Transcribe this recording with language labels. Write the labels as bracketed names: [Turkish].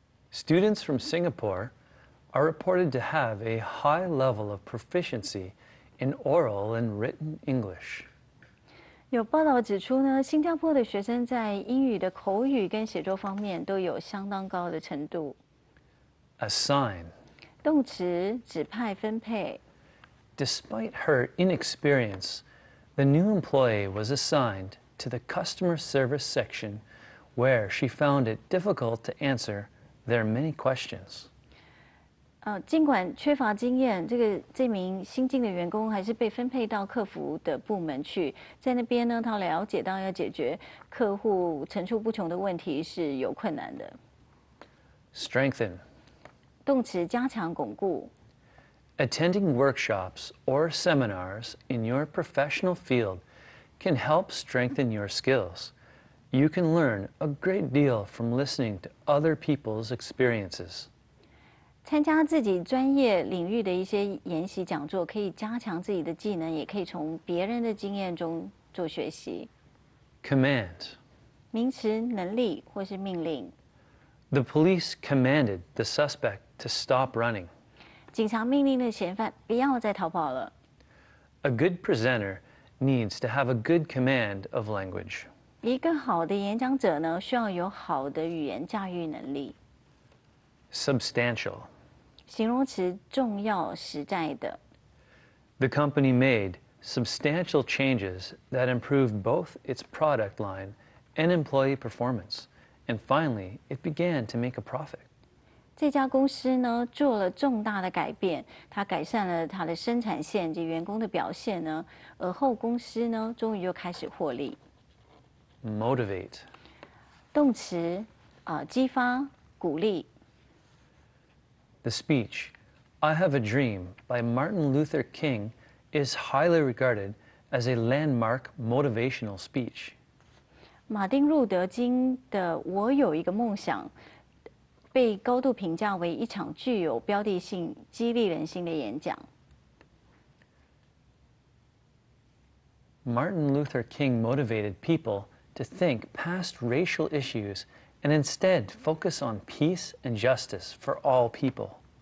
[English] Students from Singapore are reported to have a high level of proficiency in oral and written English. [Chinese] 有报道指出呢，新加坡的学生在英语的口语跟写作方面都有相当高的程度。 [English] Assign. [Chinese] 动词，指派、分配。 [English] Despite her inexperience, the new employee was assigned to the customer service section where she found it difficult to answer their many questions. [Chinese] 尽管缺乏经验，这名新进的员工还是被分配到客服的部门去。在那边呢，他了解到要解决客户层出不穷的问题是有困难的。 [English] Strengthen. [Chinese] 动词，加强、巩固。 [English] Attending workshops or seminars in your professional field can help strengthen your skills. You can learn a great deal from listening to other people's experiences. [Chinese] 参加自己专业领域的一些研习讲座，可以加强自己的技能，也可以从别人的经验中做学习。 [English] Command. [Chinese] 名词，能力或是命令。 [English] The police commanded the suspect to stop running. [Chinese] 警察命令的嫌犯不要再逃跑了。 [English] A good presenter needs to have a good command of language. [Chinese] 一个好的演讲者呢，需要有好的语言驾驭能力。 [English] Substantial. [Chinese] 形容词，重要、实在的。 [English] The company made substantial changes that improved both its product line and employee performance. And finally, it began to make a profit. [Chinese] 这家公司呢，做了重大的改变，它改善了它的生产线及员工的表现呢，而后公司呢，终于又开始获利。 [English] Motivate. [Chinese] 动词，激发、鼓励。 [English] The speech I Have a Dream by Martin Luther King is highly regarded as a landmark motivational speech. [Chinese] 马丁路德金的《我有一个梦想》 被高度评价为一场具有标的性、激励人心的演讲。 [English] Martin Luther King motivated people to think past racial issues and instead focus on peace and justice for all people.